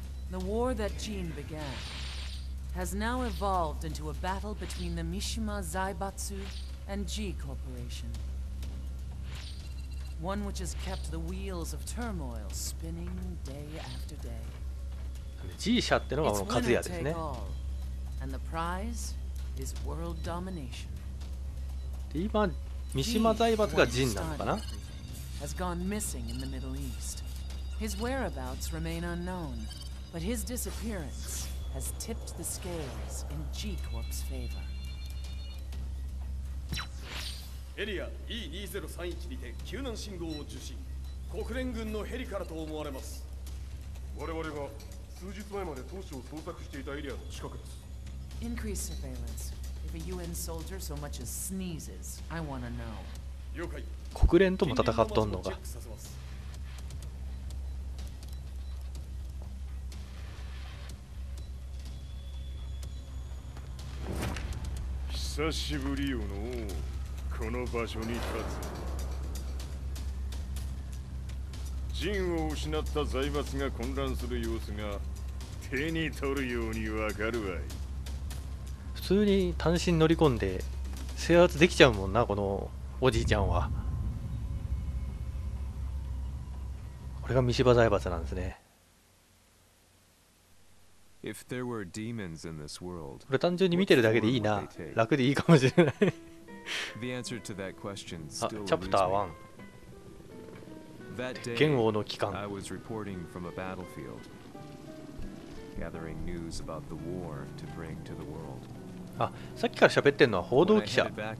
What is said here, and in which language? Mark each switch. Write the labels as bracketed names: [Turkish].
[English] The war that Jean began has now evolved into a battle between the Mishima Zaibatsu and G Corporation. One which has kept the wheels of turmoil spinning day after day. [Japanese] G 社ってのはこのカズヤですね。 [English] And the prize? Is world domination. [Japanese] で今三島財閥がジンなのかな。 [English] Has gone missing in the Middle East. His whereabouts remain unknown, but his disappearance has tipped the scales in G Corp's favor. [Japanese] エリア E2031にて救難信号を受信。国連軍のヘリからと思われます。我々が数日前まで当初を捜索していたエリアの近くです。 [English] Increase surveillance. If a UN soldier so much as sneezes, I want to know. [Japanese] 了解。国連とも戦っとんのか。久しぶりよのこの場所に立つ。陣を失った財閥が混乱する様子が手に取るようにわかるわい。普通に単身乗り込んで制圧できちゃうもんな、このおじいちゃんは。これが三島財閥なんですね。 [English] If there were demons in this world, [Japanese] これ単純に見てるだけでいいな、楽でいいかもしれない。 [English] The answer to that question still remains. [Japanese] あ、チャプター1。 [English] That day, [Japanese] 剣王の帰還。 [English] I was reporting from a battlefield, gathering news about the war to bring to the world. [Japanese] あ、さっきから喋ってんのは報道記者。